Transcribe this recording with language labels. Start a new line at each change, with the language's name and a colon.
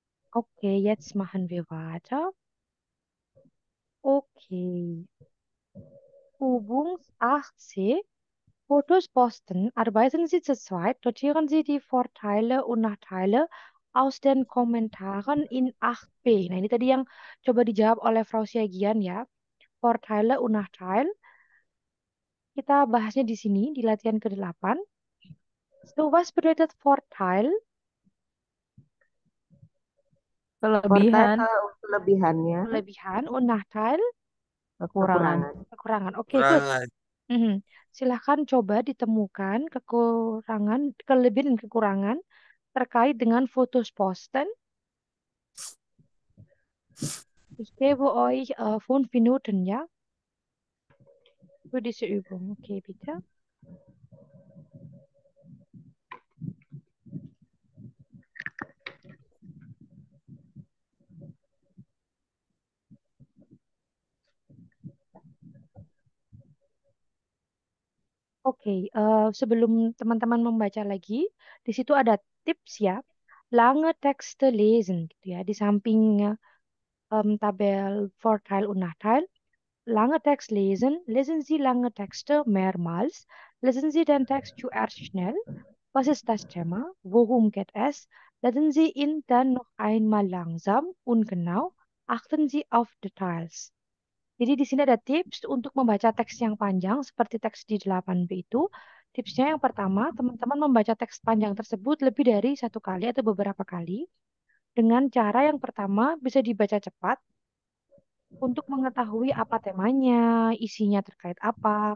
German: Okay, jetzt machen wir weiter. Okay. Übungs 8c. Fotos posten. Arbeiten Sie zu zweit. Notieren Sie die Vorteile und Nachteile aus den Kommentaren in 8b.
Indonesian: Nah, ini tadi yang coba dijawab oleh Frau Siagian ya.
German: Vorteile und Nachteile.
Indonesian: Kita bahasnya di sini, di latihan ke-8.
German: So, was bedeutet Vorteil?
Indonesian: Kelebihan. Kelebihannya. Kelebihan und Nachteil? Kekurangan. Kekurangan. Oke, okay, good. Silahkan coba ditemukan kekurangan, kelebihan dan kekurangan terkait dengan Fotos posten.
German: Ich gebe euch 5 Minuten, ya. Für diese Übung. Okay, bitte.
Indonesian: Okay, sebelum teman-teman membaca lagi, di situ ada tips ya,
German: lange Texte lesen
Indonesian: gitu ya, di samping tabel Vorteil und Nachteil.
German: Lange Text lesen, lesen Sie lange Texte mehrmals, lesen Sie den Text zuerst schnell, was ist das Thema, worum geht es, lesen Sie ihn dann noch einmal langsam und genau, achten Sie auf Details.
Indonesian: Jadi di sini ada tips untuk membaca teks yang panjang seperti teks di 8B itu. Tipsnya yang pertama, teman-teman membaca teks panjang tersebut lebih dari satu kali atau beberapa kali. Dengan cara yang pertama, bisa dibaca cepat untuk mengetahui apa temanya, isinya terkait apa.